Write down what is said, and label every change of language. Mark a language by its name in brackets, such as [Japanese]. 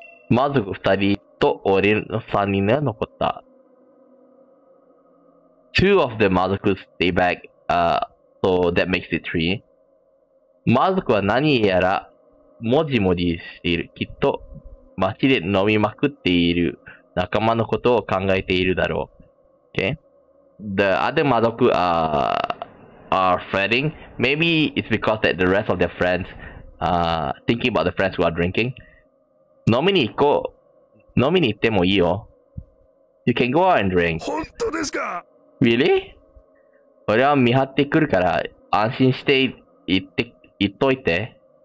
[Japanese] まず二人と俺の三人が残った。 [English] Two of the 魔族 could stay back, so that makes it three. [Japanese] 魔族は何やら、もじもじしている。きっと、街で飲みまくっている仲間のことを考えているだろう。 [English] Okay? The other 魔族 are fretting. Maybe it's because that the rest of their friends,thinking about the friends who are drinking. [Japanese] 飲みに行こう。飲みに行ってもいいよ。 [English] You can go out and drink. [Japanese] 本当ですか？ [English] Really? [Japanese] 俺は見張ってくるから安心して行っといて。